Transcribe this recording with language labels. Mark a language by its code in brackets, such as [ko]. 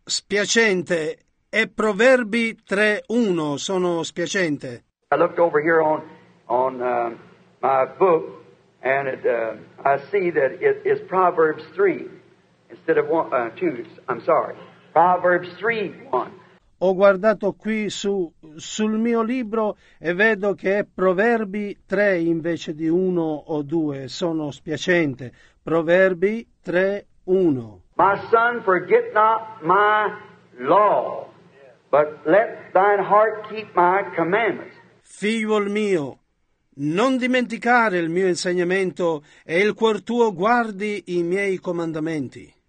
[it] È Proverbi 3:1, sono spiacente. [en] I looked over here on my book and I see that it is Proverbs 3. Instead of one, two, I'm sorry. Proverbs 3:1. [it] Ho guardato qui sul mio libro e vedo che è Proverbi 3 invece di 1 o 2. Sono spiacente. Proverbi 3:1. [en] My son, forget not my law, but let thine heart keep my commandments. [it] Figliol mio, non dimenticare il mio insegnamento e il cuor tuo guardi i miei comandamenti.